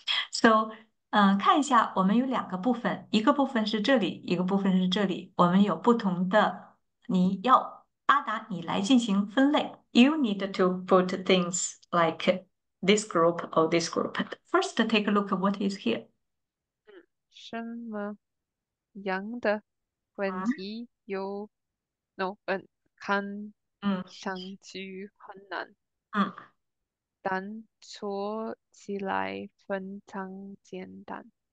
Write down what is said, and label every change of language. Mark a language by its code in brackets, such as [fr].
[zh] So, 看一下，我们有两个部分，一个部分是这里，一个部分是这里，我们有不同的，你要。阿达，你来进行分类。 [en] You need to put things like this group or this group. First, take a look at what is here. [zh] 什么羊的问题有？No，看上去很难，但说起来非常简单，